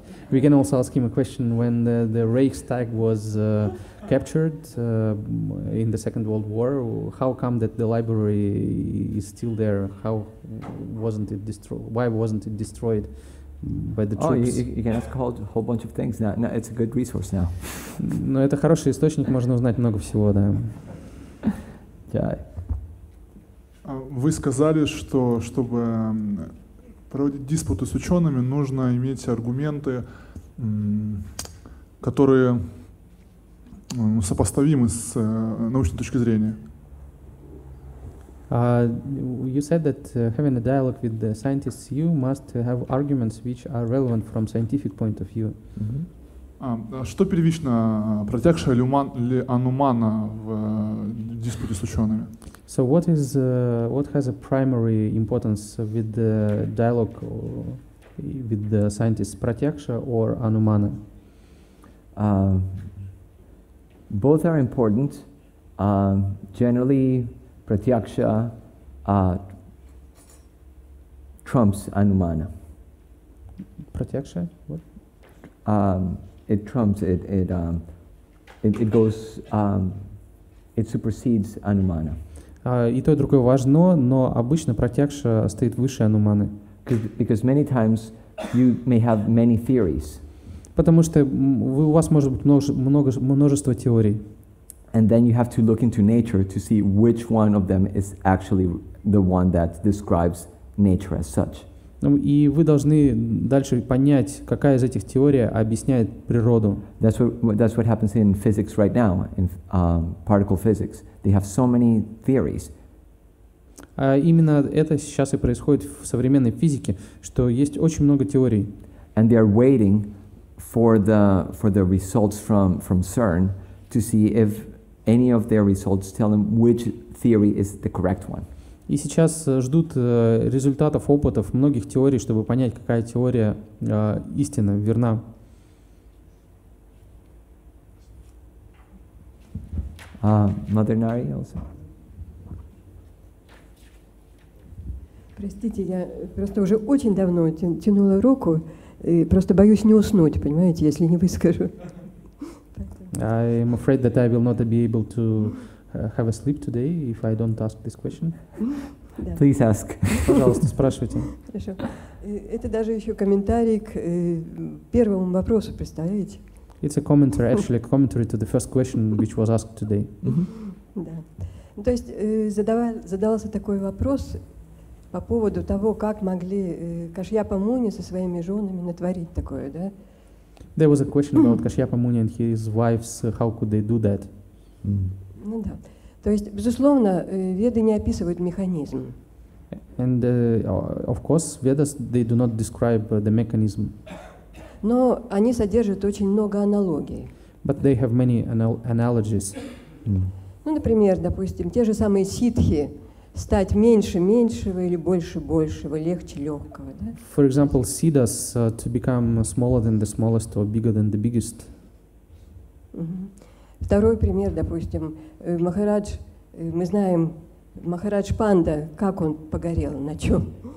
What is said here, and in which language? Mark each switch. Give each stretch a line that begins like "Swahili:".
English: We can also ask him a question when the Reichstag was captured in the Second World War. How come that the library is still there? How wasn't it destroyed? Why wasn't it destroyed by the troops? Oh, you can ask a whole bunch of things. Now, it's a good resource now.
Russian: Но это хороший источник, можно узнать много всего, да. Вы сказали, что чтобы проводить диспуты с учеными, нужно иметь аргументы, которые сопоставимы с научной точки зрения.
English: You said that having a dialogue with the scientists, you must have arguments which are relevant from scientific point of view.
Russian: Что первично, протягшая ли анумана в диспуте с учеными?
English: So what is what has a primary importance with the dialogue with the scientists, pratyaksha or anumana? Both are important. Generally, pratyaksha trumps anumana. Pratyaksha? What? It trumps it. It goes. It supersedes anumana.
Russian: И то, и другое важно, но обычно протягша стоит выше ануманы.
English: Because many times you may have many theories.
Russian: Потому что у вас может быть множество теорий.
English: And then you have to look into nature to see which one of them is actually the one that describes nature as such.
Russian: И вы должны дальше понять, какая из этих теорий объясняет природу.
English: That's what happens in physics right now, in particle physics. They have so many theories.
Russian: Именно это сейчас и происходит в современной физике, что есть очень много теорий.
English: And they are waiting for the results from CERN to see if any of their results tell them which theory is the correct one.
Russian: И сейчас ждут результатов опытов многих теорий, чтобы понять, какая теория истинна, верна.
English: Mother Nari also.
Russian: Простите, я просто уже очень давно тянула руку, и просто боюсь не уснуть, понимаете, если не выскажу.
English: I'm afraid that I will not be able to have a sleep today if I don't ask this question. Please ask.
Russian: Пожалуйста, спрашивайте. Хорошо. Это даже еще комментарий к первому вопросу, представляете?
English: It's a commentary, actually a commentary to the first question which was asked today.
Russian: Да. То есть задавался такой вопрос по поводу того, как могли Кашьяпа Муни со своими женами натворить такое, да?
English: There was a question about Кашьяпа Муни and his wives, how could they do that?
Russian: Ну да. То есть, безусловно, веды не описывают механизм.
English: And of course, Vedas, they do not describe the mechanism.
Russian: Но они содержат очень много аналогий.
English: But they have many analogies.
Russian: Ну, например, допустим, те же самые ситхи, стать меньше меньшего или больше большего, легче легкого, да?
English: For example, siddhas, to become smaller than the smallest or bigger than the biggest.
Russian: Второй пример, допустим, Махарадж, мы знаем, Махарадж Панда, как он погорел, на чем?